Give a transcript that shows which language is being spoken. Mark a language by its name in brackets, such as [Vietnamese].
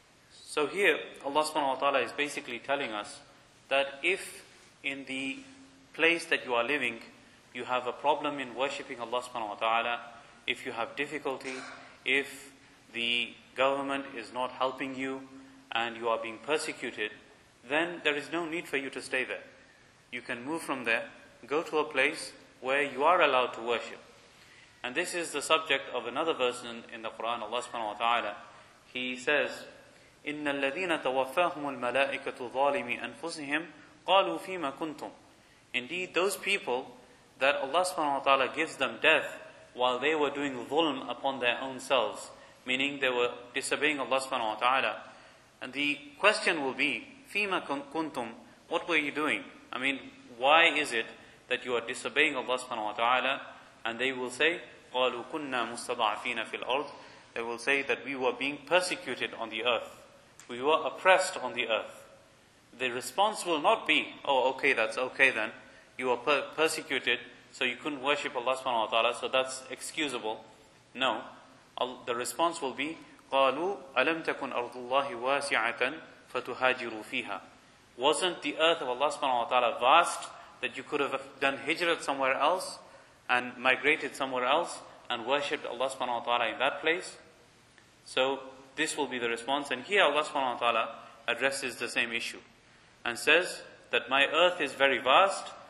[English] So here, Allah subhanahu wa ta'ala is basically telling us that if in the place that you are living, you have a problem in worshipping Allah subhanahu wa ta'ala, if you have difficulty, if the government is not helping you, and you are being persecuted, then there is no need for you to stay there. You can move from there, go to a place where you are allowed to worship. And this is the subject of another verse in the Quran, Allah subhanahu wa ta'ala. He says, [Arabic] إِنَّ الَّذِينَ تَوَفَّاهُمُ الْمَلَائِكَةُ ظَالِمِ أَنفُسِهِمْ قَالُوا فِيمَ كُنْتُمْ. [English] Indeed, those people that Allah subhanahu wa ta'ala gives them death while they were doing dhulm upon their own selves, meaning they were disobeying Allah subhanahu wa ta'ala. And the question will be, [Arabic] فِيمَ كُنْتُمْ, [English] what were you doing? I mean, why is it that you are disobeying Allah subhanahu wa ta'ala? And they will say, [Arabic] قَالُوا كُنَّا مُسْتَضَعْفِينَ فِي الْأَرْضِ. [English] They will say that we were being persecuted on the earth. We were oppressed on the earth. The response will not be, oh, okay, that's okay then. You were persecuted, so you couldn't worship Allah subhanahu wa ta'ala, so that's excusable. No. The response will be, [Arabic] قَالُوا أَلَمْ تَكُنْ أَرْضُ اللَّهِ وَاسِعَةً فَتُهَاجِرُوا فِيهَا. [English] Wasn't the earth of Allah subhanahu wa ta'ala vast that you could have done hijrat somewhere else and migrated somewhere else and worshipped Allah subhanahu wa ta'ala in that place? So this will be the response. And here Allah subhanahu wa ta'ala addresses the same issue and says that my earth is very vast.